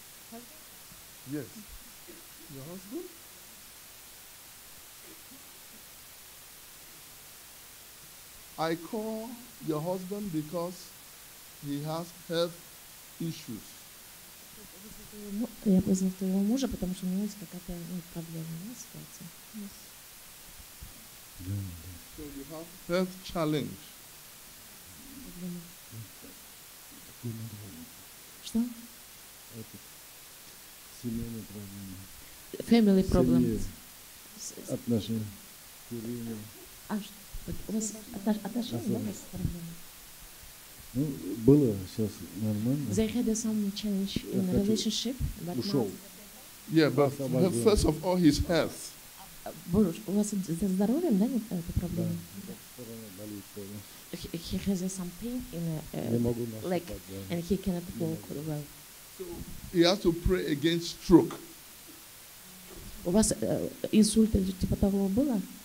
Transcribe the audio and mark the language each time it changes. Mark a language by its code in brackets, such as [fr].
[en] Husband? Yes. Your husband? I call your husband because he has health issues. [ru] Я познал твоего мужа, потому что у него есть какая-то проблема, ситуация. [en] So you have health challenge. [ru] Что? Это семейные проблемы. [en] Family problems. [ru] Отношения. А что? У вас отношения с проблемами? Ну, было сейчас нормально. [en] They had some challenge in the relationship, but [ru] ушел. [en] Yeah, but the first of all, his health. [ru] У вас со здоровьем, да, нет этой проблемы? Да. [en] He has some pain in the leg, and he cannot walk well. So he has to pray against stroke. [ru] У вас инсульт или типа того было?